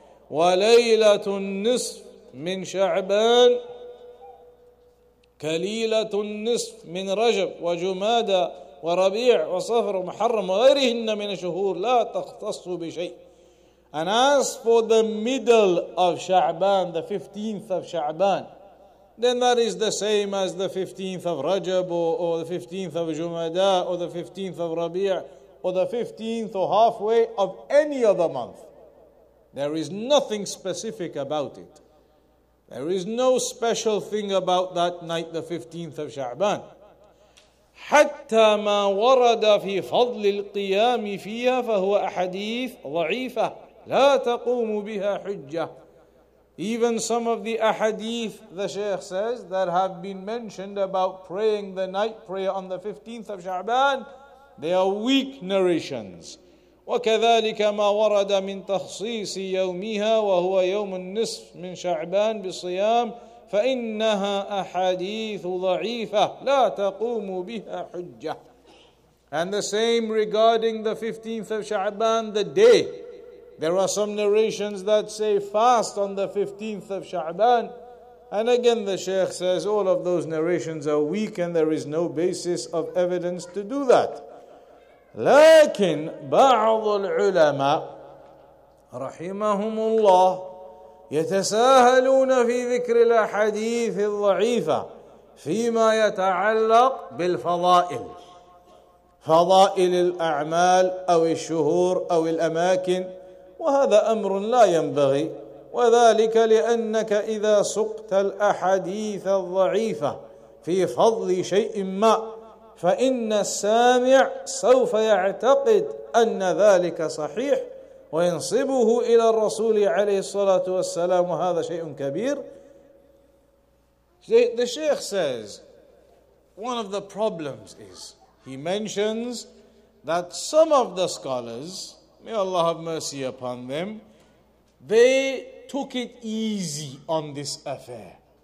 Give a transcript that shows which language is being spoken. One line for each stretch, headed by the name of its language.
Arabic: وليلة النصف من شعبان كليلة النصف من رجب وجمادى وربيع وصفر ومحرم وغيرهن من الشهور لا تختص بشيء.
English: And as for the middle of Sha'ban, the 15th of Sha'ban, then that is the same as the 15th of Rajab, or the 15th of Jumada, or the 15th of Rabi', or the 15th or halfway of any other month. There is nothing specific about it. There is no special thing about that night, the 15th of Sha'ban.
Arabic: حَتَّى مَا وَرَدَ فِي فَضْلِ الْقِيَامِ فِيهَا فَهُوَ أَحَدِيثْ ضَعِيفَةْ لا تقوم بها حجة.
English: Even some of the ahadith, the Shaykh says, that have been mentioned about praying the night prayer on the 15th of Sha'ban, they are weak narrations.
Arabic: وكذلك ما ورد من تخصيص يومها وهو يوم النصف من شعبان بالصيام فإنها أحاديث ضعيفة لا تقوم بها حجة.
English: And the same regarding the 15th of Sha'ban, the day. There are some narrations that say fast on the 15th of Sha'ban. And again the Shaykh says all of those narrations are weak and there is no basis of evidence to do that.
Arabic: لكن بعض العلماء رحمهم الله يتساهلون في ذكر الأحاديث الضعيفة فيما يتعلق بالفضائل. فضائل الأعمال أو الشهور أو الأماكن. وهذا أمر لا ينبغي وذلك لأنك إذا سقت الأحاديث الضعيفة في فضل شيء ما فإن السامع سوف يعتقد أن ذلك صحيح وينصبه إلى الرسول عليه الصلاة والسلام وهذا شيء كبير.
English: The Sheikh says one of the problems is he mentions that some of the scholars, may Allah have mercy upon them, they took it easy on this affair.